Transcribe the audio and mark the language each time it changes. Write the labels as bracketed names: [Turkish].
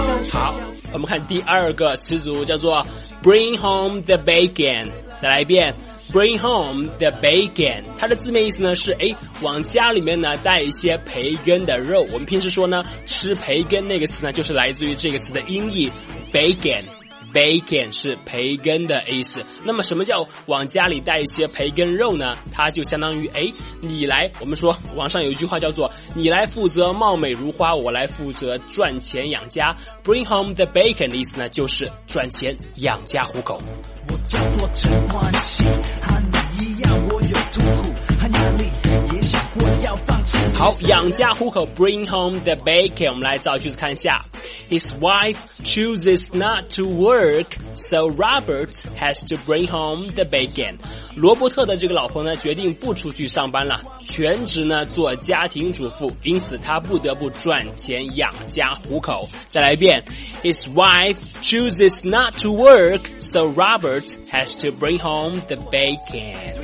[Chinese] 好，我们看第二个词组叫做 bring home the bacon。再来一遍 ，bring home the bacon。它的字面意思呢是，哎，往家里面呢带一些培根的肉。我们平时说呢，吃培根那个词呢，就是来自于这个词的音译 ，bacon。 Bacon 是培根的意思。那么什么叫往家里带一些培根肉呢？它就相当于哎，你来，我们说网上有一句话叫做你来负责貌美如花，我来负责赚钱养家。 Bring home the bacon 的意思呢就是赚钱养家糊口。我叫做陈冠希，和你一样我有痛苦和压力，也想过要放弃。好，养家糊口 [English] Bring home the bacon。 [Chinese] 我们来造句子看一下， [English] His wife chooses not to work, so Robert has to bring home the bacon. [Chinese] 罗伯特的这个老婆呢，决定不出去上班了，全职呢做家庭主妇，因此他不得不赚钱养家糊口。再来一遍 [English] ，His wife chooses not to work, so Robert has to bring home the bacon.